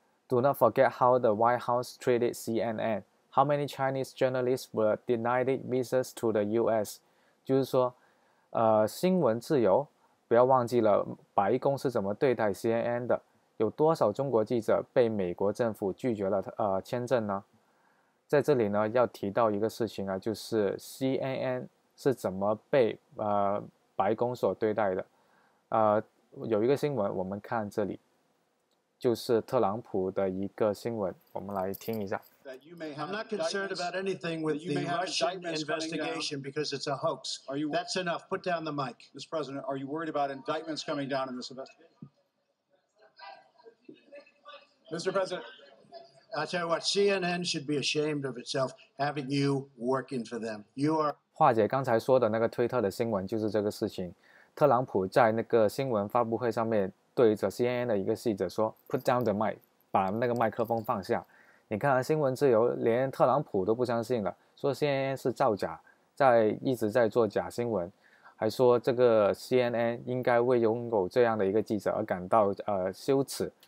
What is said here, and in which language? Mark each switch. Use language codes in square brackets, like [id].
[en] Do not forget how the White House treated CNN. How many Chinese journalists were denied visas to the U.S.？” [zh] 就是说，新闻自由，不要忘记了白宫是怎么对待 CNN 的。有多少中国记者被美国政府拒绝了签证呢？在这里呢，要提到一个事情啊，就是 CNN 是怎么被白宫所对待的。有一个新闻，我们看这里，就是特朗普的一个新闻，我们来听一下。 [en] That you may have I'm not concerned about anything with the Russian investigation because it's a hoax. Are you? That's enough. Put down the mic, Mr. President. Are you worried about indictments coming down in this investigation? Mr. President, I tell you what, CNN should be ashamed of itself having you working for them. You are. [zh] 华姐刚才说的那个推特的新闻就是这个事情。特朗普在那个新闻发布会上面对着 CNN 的一个记者说： [en] “Put down the mic， [zh] 把那个麦克风放下。” 你看，新闻自由连特朗普都不相信了，说 CNN 是造假，一直在做假新闻，还说这个 CNN 应该为拥有这样的一个记者而感到羞耻。